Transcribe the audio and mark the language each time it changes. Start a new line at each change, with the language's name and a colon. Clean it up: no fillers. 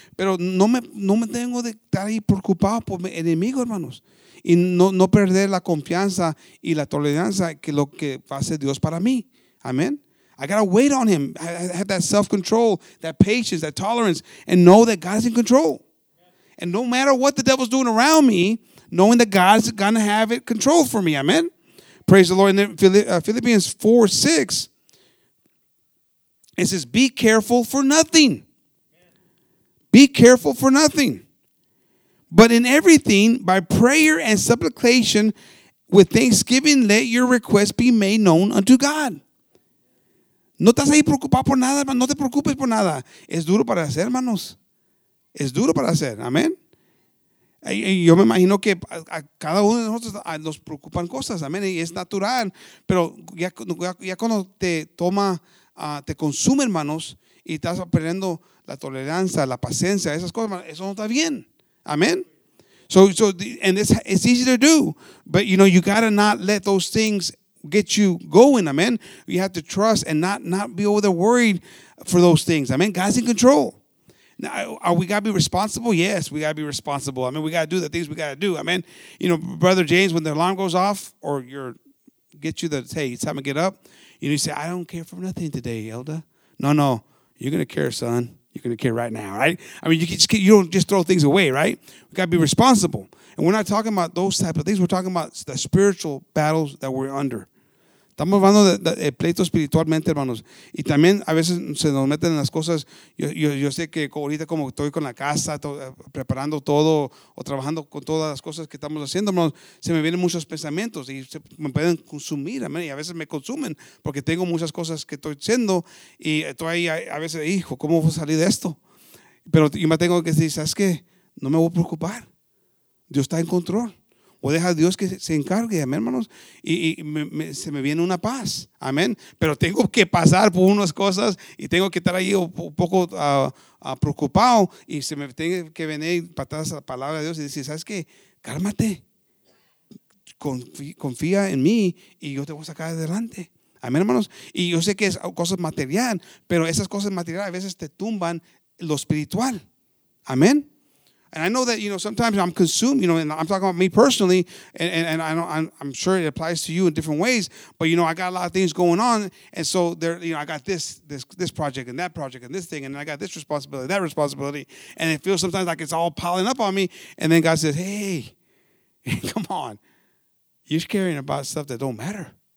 Spanish: Pero no me tengo de estar ahí preocupado por mi enemigo, hermanos. Y no perder la confianza y la tolerancia que lo que hace Dios para mí.
English: Amén. I got to wait on him. I have that self-control, that patience, that tolerance, and know that God is in control. And no matter what the devil's doing around me, knowing that God's going to have it controlled for me. Amen. Praise the Lord. And then Philippians 4, 6, it says, be careful for nothing. Be careful for nothing. But in everything, by prayer and supplication, with thanksgiving, let your requests be made known unto God.
Spanish: No estás ahí preocupado por nada, hermano. No te preocupes por nada. Es duro para hacer, hermanos. Es duro para hacer. Amén. Yo me imagino que a cada uno de nosotros nos preocupan cosas. Amén. Y es natural. Pero ya cuando te toma, te consume, hermanos, y estás aprendiendo la tolerancia, la paciencia, esas cosas, hermanos, eso no está bien.
English: Amén. So and it's easy to do. But, you know, you got to not let those things get you going, amen. You have to trust and not be over there worried for those things, amen. God's in control. Now, we got to be responsible? Yes, we got to be responsible. I mean, we got to do the things we got to do, amen. You know, Brother James, when the alarm goes off or hey, it's time to get up, you know, you say, I don't care for nothing today, Elda. No, you're going to care, son. You're going to care right now, right? I mean, you don't just throw things away, right? We got to be responsible. And we're not talking about those type of things. We're talking about the spiritual battles that we're under.
Spanish: Estamos hablando de pleito espiritualmente, hermanos. Y también a veces se nos meten en las cosas. Yo sé que ahorita como estoy con la casa, preparando todo o trabajando con todas las cosas que estamos haciendo, hermanos, se me vienen muchos pensamientos y se me pueden consumir, amén. Y a veces me consumen porque tengo muchas cosas que estoy haciendo y estoy ahí a veces, hijo, ¿cómo voy a salir de esto? Pero yo me tengo que decir, ¿sabes qué? No me voy a preocupar. Dios está en control. O deja a Dios que se encargue, amén, hermanos. Y se me viene una paz, amén. Pero tengo que pasar por unas cosas y tengo que estar ahí un poco preocupado y se me tiene que venir patadas a la palabra de Dios y decir, ¿sabes qué? Cálmate. Confía en mí y yo te voy a sacar adelante. Amén, hermanos. Y yo sé que es cosas material, pero esas cosas materiales a veces te tumban lo espiritual. Amén.
English: And I know that, you know, sometimes I'm consumed, you know, and I'm talking about me personally, and I know I'm sure it applies to you in different ways, but, you know, I got a lot of things going on, and so there, you know, I got this project and that project and this thing, and I got this responsibility, that responsibility, and it feels sometimes like it's all piling up on me, and then God says, hey, come on, you're caring about stuff that don't matter.